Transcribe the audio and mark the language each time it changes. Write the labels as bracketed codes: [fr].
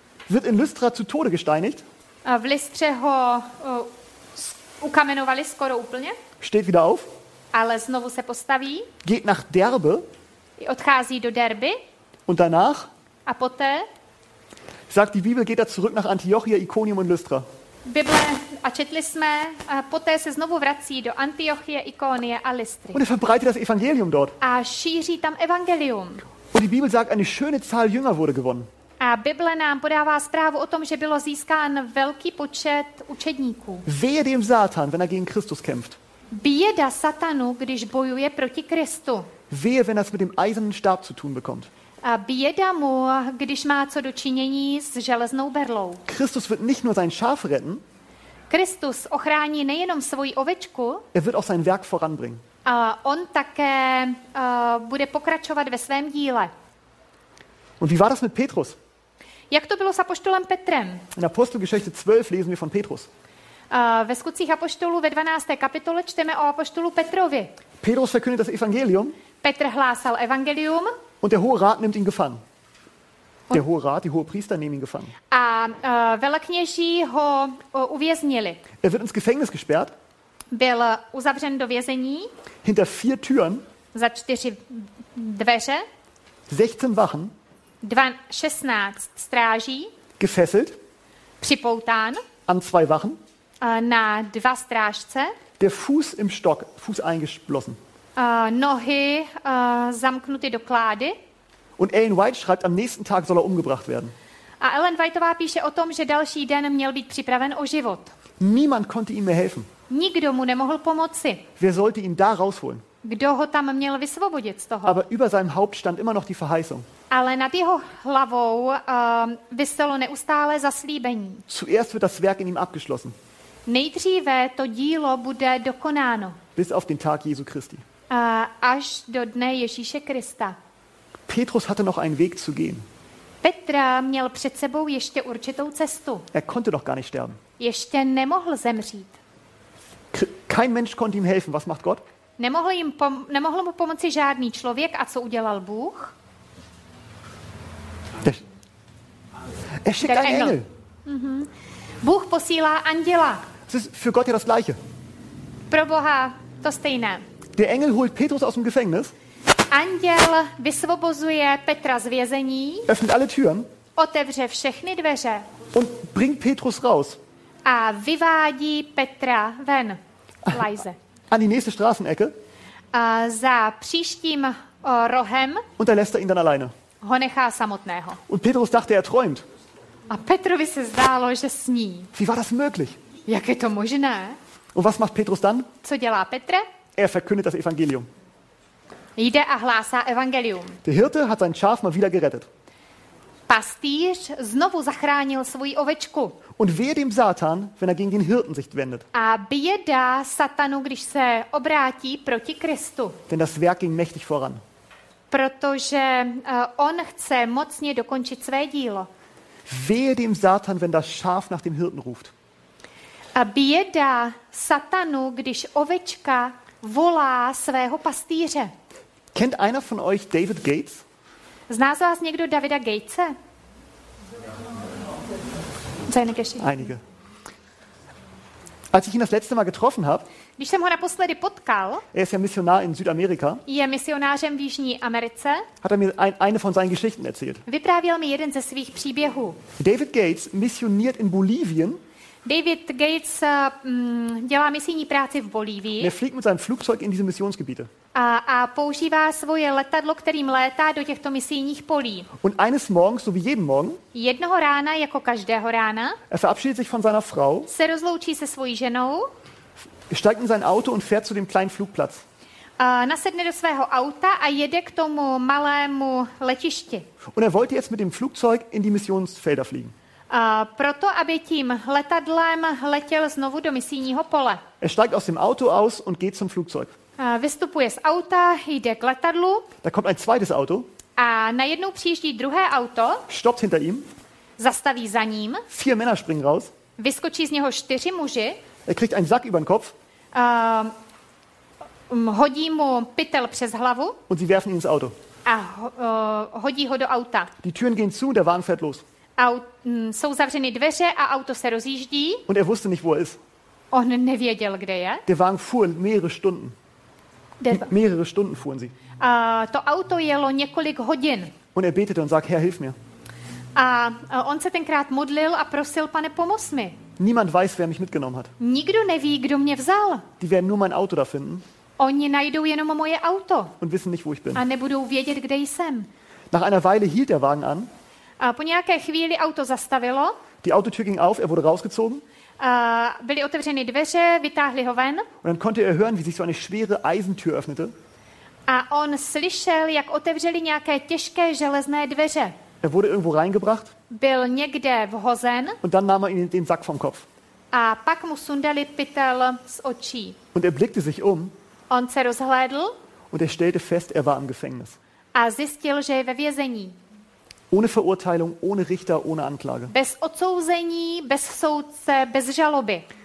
[de] Wird in Lystra zu Tode gesteinigt. [cs] V Lystře ho ukamenovali skoro úplně. [de] Steht wieder auf. [cs] Ale znovu se postaví. [de] Geht nach Derbe. [cs] Odchází do Derby. [de] Und danach? [cs] A poté? [de] Sagt die Bibel, geht er zurück nach Antiochia, Iconium und Lystra. [cs] Bible, a četli jsme, a poté se znovu vrací do Antiochie, Ikonie a Lystry. [de] Und er verbreitet das Evangelium dort. [cs] A šíří tam Evangelium. [de] Und die Bibel sagt, eine schöne Zahl Jünger wurde gewonnen. [cs] A Bible nám podává zprávu o tom, že bylo získán velký počet učedníků. [de] Wehe dem Satan, wenn er gegen Christus kämpft. [cs] Běda Satanu, když bojuje proti Kristu. [de] Wehe, wenn er es mit dem eisernen Stab zu tun bekommt. [cs] A běda mu, když má co dočinění s železnou berlou. [de] Christus wird nicht nur sein Schaf retten. [cs] Kristus ochrání nejenom svoji ovečku. [de] Er wird auch sein Werk voranbringen. [cs] on také bude pokračovat ve svém díle. [de] Und wie war das mit Petrus? [cs] Jak to bylo s apoštolem Petrem? [de] In Apostelgeschichte 12 lesen wir von Petrus. [cs] Ve Skutcích apoštolů ve 12. kapitole čteme o apoštolu Petrovi. [de] Petrus verkündet das Evangelium. [cs] Petr hlásal evangelium. [de] Und der hohe Rat nimmt ihn gefangen. Der hohe Rat, die hohe Priester nehmen ihn gefangen. [cs] A velekněží ho uvěznili. [de] Er wird ins Gefängnis gesperrt. [cs] Byl uzavřen do vězení. [de] Hinter vier Türen. [cs] Za čtyři dveře. [de] 16 Wachen. [cs] 16 stráží. [de] Gefesselt. [cs] Připoután. [de] An zwei Wachen. [cs] Na dva strážce. [de] Der Fuß im Stock, Fuß eingeschlossen. [cs] Nohy zamknuty do klády. [de] Und Ellen White schreibt, am nächsten Tag soll er umgebracht werden. [cs] A Ellen Whiteová píše o tom, že další den měl být připraven o život. [de] Niemand konnte ihm mehr helfen. [cs] Nikdo mu nemohl pomoci. [de] Wer sollte ihn da rausholen? [cs] Kdo ho tam měl vysvobodit z toho? [de] Aber über seinem Haupt stand immer noch die Verheißung. [cs] Ale nad jeho hlavou viselo neustále zaslíbení. [de] Zuerst wird das Werk in ihm abgeschlossen. [cs] Nejdříve to dílo bude dokonáno. [de] Bis auf den Tag Jesu Christi. [cs] Až do dne Ježíše Krista. [de] Petrus hatte noch einen Weg zu gehen. [cs] Petra měl před sebou ještě určitou cestu. [de] Er konnte doch gar nicht sterben. [cs] Ještě nemohl zemřít. [de] Kein Mensch konnte ihm helfen. Was macht Gott? [cs] Nemohl mu pomoci žádný člověk. A co udělal Bůh? [de] Er schickt einen Engel. [cs] Bůh posílá anděla. [de] Es ist für Gott ja das Gleiche. [cs] Pro Boha to stejné. [de] Der Engel holt Petrus aus dem Gefängnis. [cs] Anděl vysvobozuje Petra z vězení. [de] Öffnet alle Türen. [cs] Otevře všechny dveře. [de] Und bringt Petrus raus. [cs] A vyvádí Petra ven. [de] Leise. An die nächste Straßenecke. [cs] Za příštím rohem. [de] Und lässt er ihn dann alleine. [cs] Ho nechá samotného. [de] Und Petrus dachte, er träumt. [cs] A Petrovi se zdálo, že sní. [de] Wie war das möglich? [cs] Jak je to možné? [de] Und was macht Petrus dann? [cs] Co dělá Petr? [de] Er verkündet das Evangelium. [cs] Jde a hlásá evangelium. [de] Der Hirte hat sein Schaf mal wieder gerettet. [cs] Pastýř znovu zachránil svou ovečku. [de] Und wehe dem Satan, wenn er gegen den Hirten sich wendet. [cs] A běda Satanu, když se obrátí proti Kristu. [de] Denn das Werk ging mächtig voran. [cs] Protože on chce mocně dokončit své dílo. [de] Wehe dem Satan, wenn das Schaf nach dem Hirten ruft. [cs] A běda Satanu, když ovečka volá svého pastýře. [de] Kennt einer von euch David Gates? [cs] Zná z vás někdo Davida Gatese? [de] Einige. Als ich ihn das letzte Mal getroffen habe, [cs] když jsem ho naposledy potkal, [de] er ist ja Missionar in Südamerika, [cs] je misionářem v Jižní Americe, [de] hat er mir eine von seinen Geschichten erzählt. [cs] Vyprávěl mi jeden ze svých příběhů. [de] David Gates missioniert in Bolivien. [cs] David Gates dělá misijní práci v Bolívii. [de] Er fliegt mit seinem Flugzeug in diese Missionsgebiete. [cs] A používá svoje letadlo, kterým létá do těchto misijních polí. [de] Und eines Morgens, so wie jeden Morgen, [cs] jednoho rána, jako každého rána, [de] er verabschiedet sich von seiner Frau, [cs] se rozloučí se svojí ženou, [de] steigt in sein Auto und fährt zu dem kleinen Flugplatz. [cs] Nasedne do svého auta a jede k tomu malému letišti. [de] Und er wollte jetzt mit dem Flugzeug in die Missionsfelder fliegen. [cs] Proto, aby tím letadlem letěl znovu do misijního pole. [de] Er steigt aus dem Auto aus und geht zum Flugzeug. [cs] Vystupuje z auta, jde k letadlu. [de] Da kommt ein zweites Auto. [cs] A najednou přijíždí druhé auto. [de] Stoppt hinter ihm. [cs] Zastaví za ním. [de] Vier Männer springen raus. [cs] Vyskočí z něho čtyři muži. [de] Er kriegt einen Sack über den Kopf. [cs] Hodí mu pytel přes hlavu. [de] Und sie werfen ihn ins Auto. [cs] A hodí ho do auta. [de] Die Türen gehen zu und der Wagen fährt los. [cs] Jsou zavřeny dveře a auto se rozjíždí. [de] Und er wusste nicht, wo er ist. [cs] On nevěděl, kde je. [de] Der Wagen fuhr mehrere Stunden. Mehrere Stunden fuhren sie. [cs] To auto jelo několik hodin. [de] Und er betete und sagte, Herr, hilf mir. [cs] On se tenkrát modlil a prosil, Pane, pomoz mi. [de] Niemand weiß, wer mich mitgenommen hat. [cs] Nikdo neví, kdo mě vzal. [de] Die werden nur mein Auto da finden. [cs] Oni najdou jenom moje auto. [de] Und wissen nicht, wo ich bin. [cs] A nebudou vědět, kde jsem. [de] Nach einer Weile hielt der Wagen an. [cs] Po nějaké chvíli auto zastavilo. [de] Die Autotür ging auf, er wurde rausgezogen. [cs] Byly otevřeny dveře, vytáhli ho ven. [de] Und dann konnte er hören, wie sich so eine schwere Eisentür öffnete. [cs] A on slyšel, jak otevřeli nějaké těžké železné dveře. [de] Er wurde irgendwo reingebracht. [cs] Byl někde vhozen. [de] Und dann nahm er ihm den Sack vom Kopf. [cs] A pak mu sundali pytel z očí. [de] Und er blickte sich um. [cs] On se rozhlédl. [de] Und er stellte fest, er war im Gefängnis. [cs] A zjistil, že je ve vězení. [de] Ohne Verurteilung, ohne Richter, ohne Anklage. [cs] Bez odsouzení, bez soudce, bez žaloby.